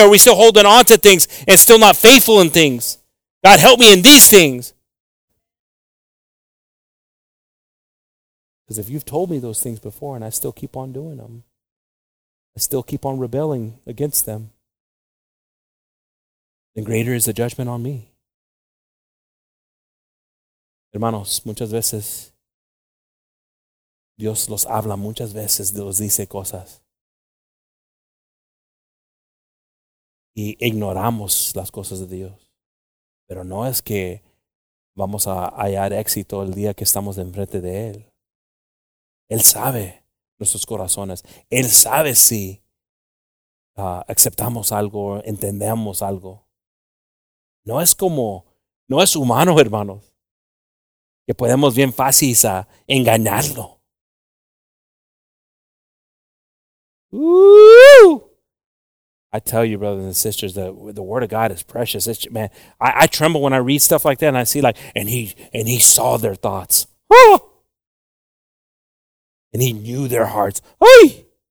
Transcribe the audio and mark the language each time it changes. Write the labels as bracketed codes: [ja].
[en] Are we still holding on to things and still not faithful in things? God, help me in these things. Because if you've told me those things before and I still keep on doing them, I still keep on rebelling against them, then greater is the judgment on me. [es] Hermanos, muchas veces Dios los habla, muchas veces Dios dice cosas. Y ignoramos las cosas de Dios. Pero no es que vamos a hallar éxito el día que estamos enfrente de Él. Él sabe nuestros corazones. Él sabe si aceptamos algo, entendemos algo. No es humano, hermanos, que podemos bien fácil a engañarlo. Woo! [en] I tell you, brothers and sisters, that the word of God is precious. It's, man, I tremble when I read stuff like that, and I see like, and he saw their thoughts. Oh! And he knew their hearts. Hey!